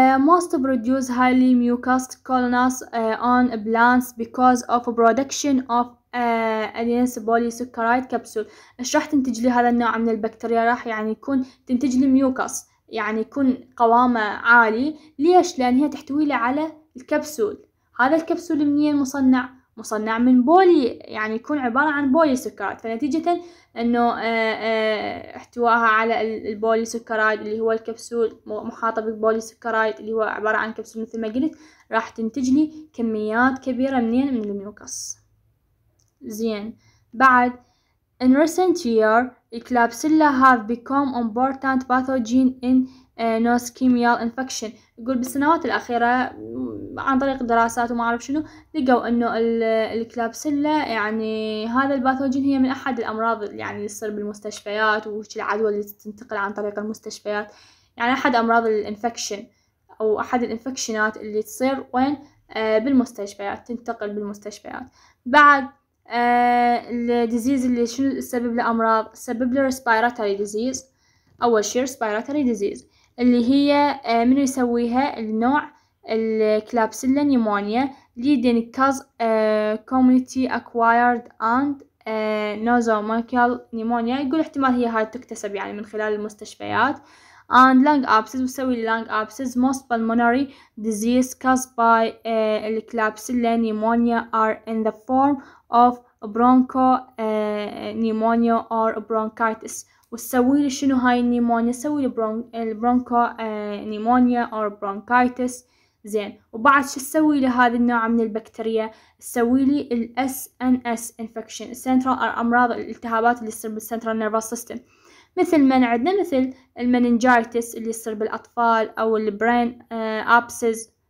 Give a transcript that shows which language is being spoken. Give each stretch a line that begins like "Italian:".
English: Most produce highly mucus colonies on plants because of production of adenine polysaccharide capsule.
Arabic: إيش راح تنتج لي هذا النوع من البكتيريا؟ راح يعني يكون تنتج لي ميوكاس، يعني يكون قوامة عالي. ليش؟ لأن هي تحتوي لي على الكبسول. هذا الكبسول منين مصنع؟ مصنع من بولي، يعني يكون عبارة عن بوليسكرايد، فنتيجة انه احتواها على البوليسكرايد اللي هو الكبسول محاطة بالبوليسكرايد اللي هو عبارة عن كبسول مثل ما قلت، راح تنتج لي كميات كبيرة منين؟ من الميوكس. زين بعد
English: in recent year
Arabic: الكلابسيلا
English: have become important pathogen in nosocomial infection.
Arabic: يقول بالسنوات الأخيرة عن طريق دراسات وما أعرف شنو لقوا إنه الكلابسيلا يعني هذا الباثوجين هي من أحد الأمراض يعني اللي تصير بالمستشفيات، وش العدوى اللي تنتقل عن طريق المستشفيات، يعني أحد أمراض الإنفكشن أو أحد الإنفكشنات اللي تصير وين بالمستشفيات، تنتقل بالمستشفيات. بعد الديزيز اللي شنو سبب الأمراض، سبب الريسبيراتوري ديزيز، أول شيء ريسبيراتوري ديزيز اللي هي من يسويها النوع الكلابسيلا نيمونيا،
English: leading cause community acquired and nosocomial pneumonia.
Arabic: يقول احتمال هي هاي تكتسب يعني من خلال المستشفيات.
English: and lung abscess،
Arabic: وسوي
English: lung abscess most pulmonary disease caused by الكلابسيلا pneumonia are in the form of bronco pneumonia or bronchitis.
Arabic: وتسوي لي شنو هاي النيمونيا؟ تسوي لي البرونكو نيمونيا أو برونكايتس. زين وبعد شو تسوي لهذا النوع من البكتيريا؟ تسوي لي ال SNS infection، السنترال أمراض الالتهابات اللي تصير بالسنترال نيرفوس سيستم، مثل ما عندنا مثل المنينجايتس اللي تصير بالأطفال أو البرين أبسز.